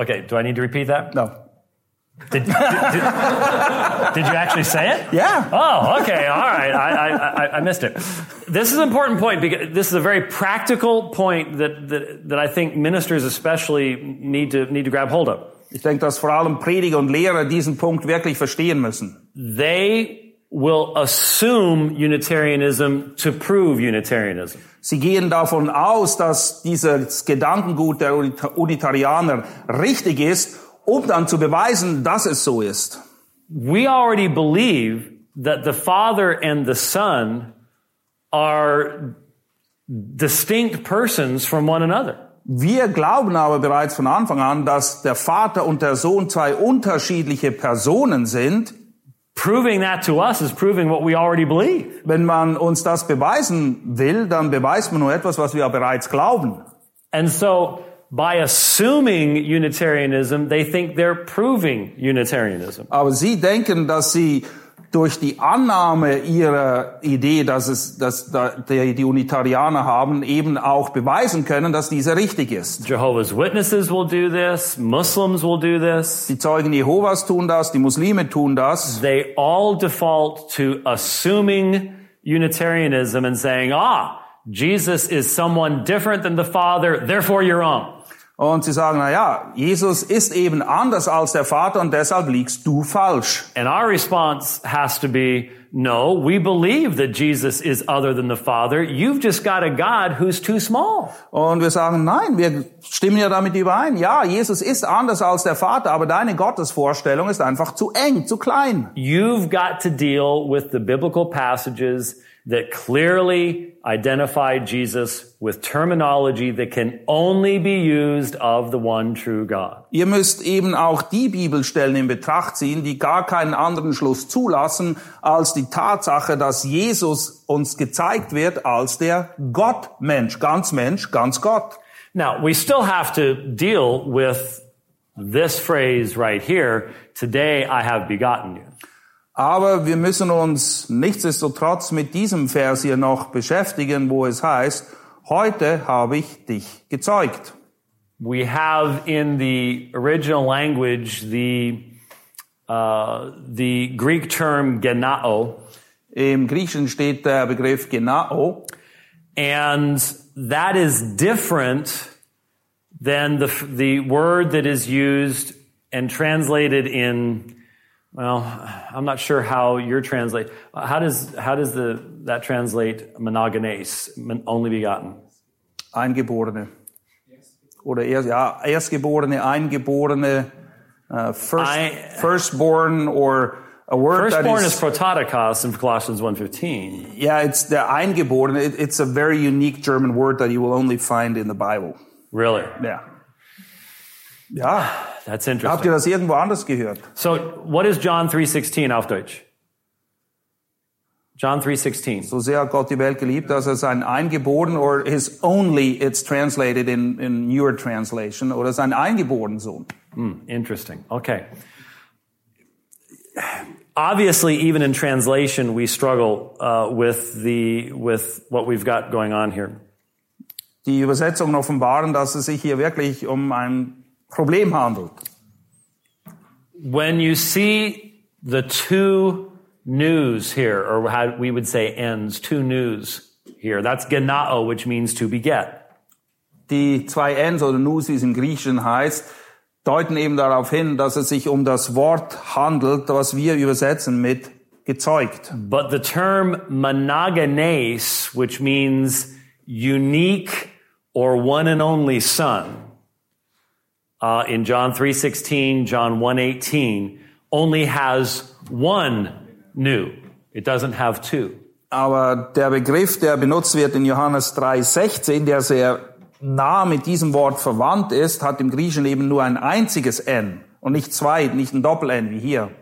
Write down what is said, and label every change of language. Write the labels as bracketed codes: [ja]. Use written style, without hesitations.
[en] Okay, do I need to repeat that? No. Did you actually say it? Yeah. Oh, okay, all right. I missed it. This is an important point because this is a very practical point that I think ministers especially need to grab hold of. [de] Ich denke, dass vor allem Prediger und Lehrer diesen Punkt wirklich verstehen müssen. [en] They will assume Unitarianism to prove Unitarianism. [de] Sie gehen davon aus, dass dieses Gedankengut der Unitarianer richtig ist, um dann zu beweisen, dass es so ist. [en] We already believe that the Father and the Son are distinct persons from one another. [de] Wir glauben aber bereits von Anfang an, dass der Vater und der Sohn zwei unterschiedliche Personen sind. [en] Proving that to us is proving what we already believe. [de] Wenn man uns das beweisen will, dann beweist man nur etwas, was wir bereits glauben. [en] And so by assuming Unitarianism, they think they're proving Unitarianism. [de] Aber sie denken, dass sie durch die Annahme ihrer Idee, dass die Unitarianer haben, eben auch beweisen können, dass diese richtig ist. [en] Jehovah's Witnesses will do this, Muslims will do this. [de] Die Zeugen Jehovas tun das, die Muslime tun das. [en] They all default to assuming Unitarianism and saying, ah, Jesus is someone different than the Father, therefore you're wrong. [de] Und sie sagen, na ja, Jesus ist eben anders als der Vater und deshalb liegst du falsch. [en] And our response has to be, no, we believe that Jesus is other than the Father. You've just got a God who's too small. [de] Und wir sagen, nein, wir stimmen ja damit überein. Ja, Jesus ist anders als der Vater, aber deine Gottesvorstellung ist einfach zu eng, zu klein. [en] You've got to deal with the biblical passages that clearly identify Jesus with terminology that can only be used of the one true God. [de] Ihr müsst eben auch die Bibelstellen in Betracht ziehen, die gar keinen anderen Schluss zulassen als die Tatsache, dass Jesus uns gezeigt wird als der Gottmensch, ganz Mensch, ganz Gott. [en] Now, we still have to deal with this phrase right here, today I have begotten you. [de] Aber wir müssen uns nichtsdestotrotz mit diesem Vers hier noch beschäftigen, wo es heißt, heute habe ich dich gezeugt. [en] We have in the original language the Greek term genao. [de] Im Griechischen steht der Begriff genao. [en] And that is different than the word that is used and translated in... Well, I'm not sure how you're translate. How does that translate monogenes, only begotten? [de] Eingeborene. Oder erstgeborene, eingeborene, [en] firstborn or a word firstborn that is... Firstborn is prototokos in Colossians 1:15. Yeah, it's the eingeborene. It's a very unique German word that you will only find in the Bible. Really? Yeah. Ja, that's interesting. [de] Habt ihr das irgendwo anders gehört? [en] So, what is John 3:16 [de] auf Deutsch? [en] John 3:16. [de] So sehr hat Gott die Welt geliebt, dass er sein Eingeborenen, [en] or his only, it's translated in your translation, [de] oder sein Eingeborenen Sohn. [en] Interesting. Okay. Obviously, even in translation, we struggle with what we've got going on here. [de] Die Übersetzungen offenbaren, dass es sich hier wirklich um ein Problem handelt. [en] When you see the two news here, or how we would say ends, two news here, that's genao, which means to beget. [de] Die zwei ends oder news, wie es im Griechischen heißt, deuten eben darauf hin, dass es sich um das Wort handelt, was wir übersetzen mit gezeugt. [en] But the term monogenes, which means unique or one and only son, in John 3:16, John 1:18, only has one new. It doesn't have two. [de] Aber der Begriff, der benutzt wird in Johannes 3:16, der sehr nah mit diesem Wort verwandt ist, hat im Griechischen eben nur ein einziges N und nicht zwei, nicht ein Doppel-N wie hier.